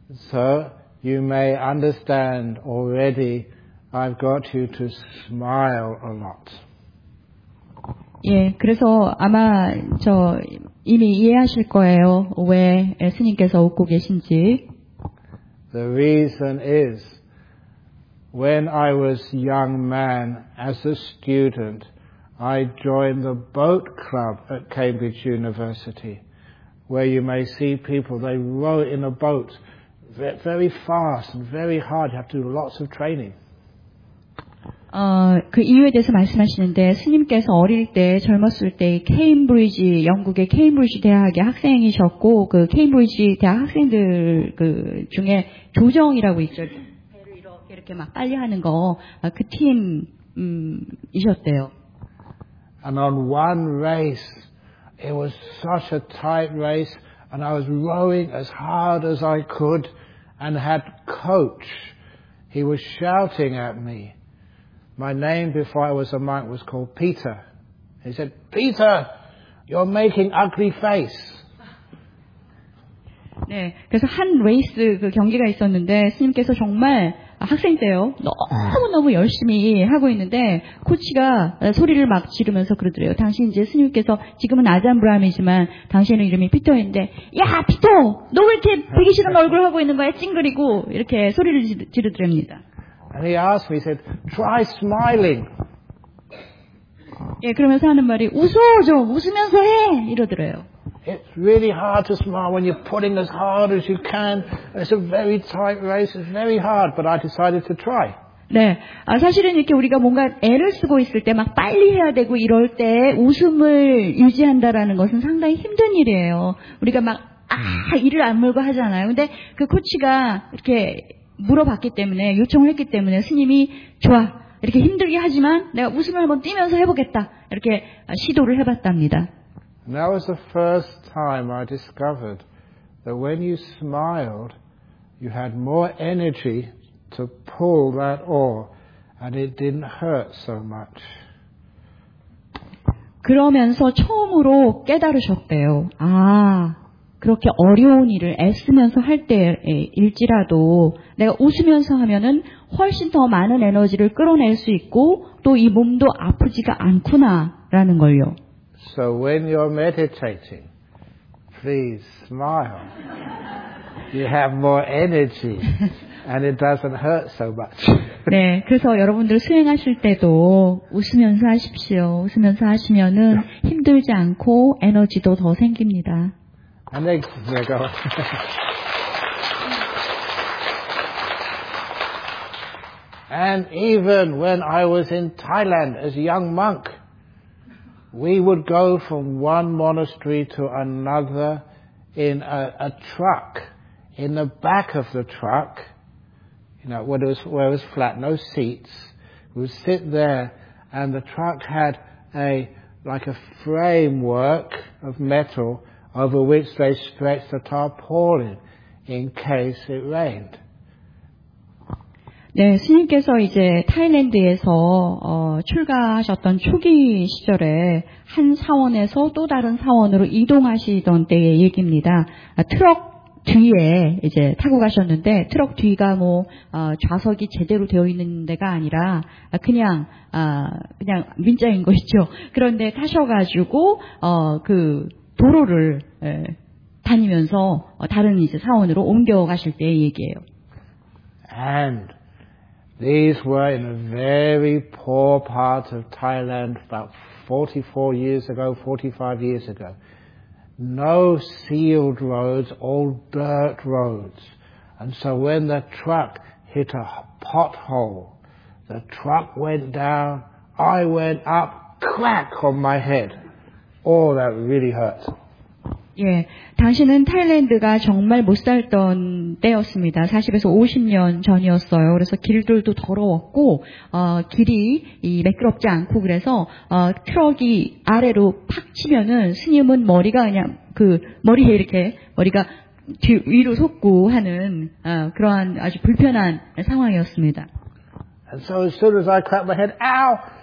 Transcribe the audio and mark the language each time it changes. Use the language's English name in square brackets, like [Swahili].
[English] So, you may understand already, I've got you to smile a lot. [Korean] 예, 그래서 아마 저 이미 이해하실 거예요. 왜 스님께서 웃고 계신지. [English] The reason is, when I was a young man as a student, I joined the boat club at Cambridge University, where you may see people, they row in a boat very fast and very hard. You have to do lots of training. [Korean] 그 이유에 대해서 말씀하시는데 스님께서 어릴 때 젊었을 때 케임브리지 영국의 케임브리지 대학의 학생이셨고 그 케임브리지 대학 학생들 그 중에 조정이라고 있죠. 배를 이렇게 막 빨리 하는 거 그 팀이셨대요. [English] And on one race it was such a tight race and I was rowing as hard as I could and had coach. He was shouting at me. My name before I was a monk was called Peter. He said, Peter, you're making ugly face. [Korean] 네, 그래서 한 레이스 그 경기가 있었는데 스님께서 정말 학생 때요 너무너무 열심히 하고 있는데 코치가 소리를 막 지르면서 그러더래요. 당신 이제 스님께서 지금은 아잔 브라함이지만 당신의 이름이 피터인데 야 피터 너 왜 이렇게 보기 싫은 얼굴 하고 있는 거야 찡그리고 이렇게 소리를 지르더랍니다. [English] And he asked me, he said, try smiling. [Korean] 예, 그러면서 하는 말이, 웃어, 좀, 웃으면서 해, 이러더래요. [English] It's really hard to smile when you're putting as hard as you can. It's a very tight race, it's very hard, but I decided to try. 네. [Korean] 아, 사실은 이렇게 우리가 뭔가 애를 쓰고 있을 때, 막 빨리 해야 되고 이럴 때, 웃음을 유지한다라는 것은 상당히 힘든 일이에요. 우리가 막, 이를 안 물고 하잖아요. 근데 그 코치가 이렇게, 물어봤기 때문에 요청을 했기 때문에 스님이 좋아 이렇게 힘들게 하지만 내가 웃음을 한번 띄면서 해보겠다 이렇게 시도를 해봤답니다. [English] That was the first time I discovered that when you smiled, you had more energy to pull that oar, and it didn't hurt so much. [Korean] 그러면서 처음으로 깨달으셨대요. 아. 그렇게 어려운 일을 애쓰면서 할 때일지라도 내가 웃으면서 하면은 훨씬 더 많은 에너지를 끌어낼 수 있고 또 이 몸도 아프지가 않구나라는 걸요. [English] So when you're meditating, please smile. You have more energy and it doesn't hurt so much. [Korean] 네, 그래서 여러분들 수행하실 때도 웃으면서 하십시오. 웃으면서 하시면은 힘들지 않고 에너지도 더 생깁니다. [English] And they, go. And even when I was in Thailand as a young monk, we would go from one monastery to another in a truck, in the back of the truck, you know, where it was flat, no seats. We would sit there, and the truck had a framework of metal. Over which they stretched the tarpaulin in case it rained. [Korean] 네, 스님께서 이제 타일랜드에서 출가하셨던 초기 시절에 한 사원에서 또 다른 사원으로 이동하시던 때의 얘기입니다. 트럭 뒤에 이제 타고 가셨는데 트럭 뒤가 뭐 좌석이 제대로 되어 있는 데가 아니라 그냥 민자인 것이죠. 그런데 타셔가지고 도로를 다니면서 다른 이제 사원으로 옮겨가실 때의 얘기예요. [English] And these were in a very poor part of Thailand about 44 years ago, 45 years ago. No sealed roads, all dirt roads. And so when the truck hit a pothole, the truck went down, I went up, crack on my head. Oh, that really hurt. [Korean] 예, 당신은 태일랜드가 정말 못 살던 때였습니다. 40에서 50년 전이었어요. 그래서 길들도 더러웠고 길이 이 매끄럽지 않고 그래서 트럭이 아래로 팍 치면은 스님은 머리가 그냥 그 머리에 이렇게 머리가 위로 솟고 하는 그러한 아주 불편한 상황이었습니다. [English] And so as soon as I clap my head, ow!